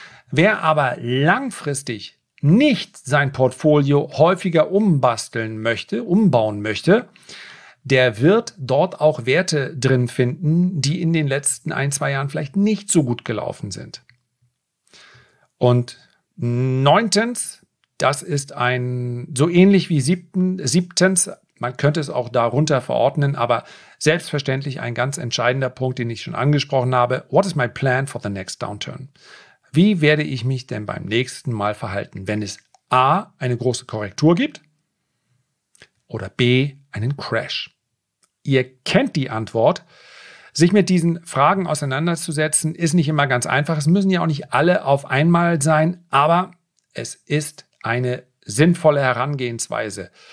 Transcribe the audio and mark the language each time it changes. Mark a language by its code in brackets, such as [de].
[de] Wer aber langfristig nicht sein Portfolio häufiger umbauen möchte, der wird dort auch Werte drin finden, die in den letzten ein, zwei Jahren vielleicht nicht so gut gelaufen sind. Und 9. Das ist ein, so ähnlich wie 7. Man könnte es auch darunter verordnen, aber selbstverständlich ein ganz entscheidender Punkt, den ich schon angesprochen habe. [en] What is my plan for the next downturn? [de] Wie werde ich mich denn beim nächsten Mal verhalten, wenn es A, eine große Korrektur gibt oder B, einen Crash? Ihr kennt die Antwort. Sich mit diesen Fragen auseinanderzusetzen, ist nicht immer ganz einfach. Es müssen ja auch nicht alle auf einmal sein, aber es ist eine sinnvolle Herangehensweise.